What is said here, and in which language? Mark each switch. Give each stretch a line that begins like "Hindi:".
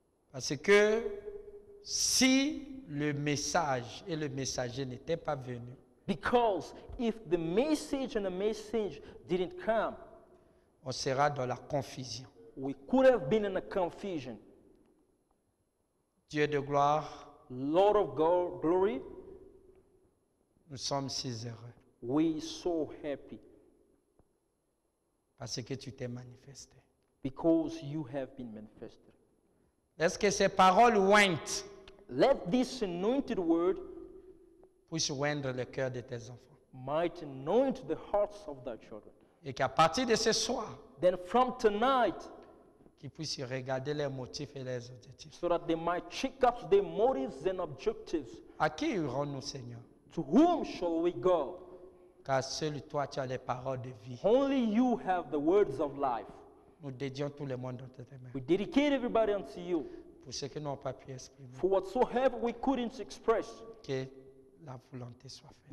French: Parce que si le message et le messager n'étaient pas venus,
English: because if the message and the messenger didn't come,
French: on sera dans la confusion.
English: We could have been in a confusion.
French: Dieu de gloire,
English: Lord of glory,
French: nous sommes si heureux.
English: We are so happy.
French: Parce que tu t'es manifesté.
English: Because you have been manifested.
French: Est-ce que ces paroles went?
English: Let this anointed word
French: puisse oindre le cœur de tes enfants.
English: Might anoint the hearts of their children.
French: Et qu'à partir de ce soir,
English: then from tonight,
French: qu'ils puissent regarder leurs motifs et leurs objectifs.
English: So that they might check up their motives and objectives.
French: À qui irons-nous, Seigneur?
English: To whom shall we go?
French: Car seul toi, tu as les paroles de vie.
English: Only you have the words of life.
French: Nous dédions tout le monde dans tes mains.
English: We dedicate everybody unto you.
French: Pour ce que nous n'avons pas pu exprimer.
English: For whatsoever we couldn't express.
French: Que la volonté soit faite.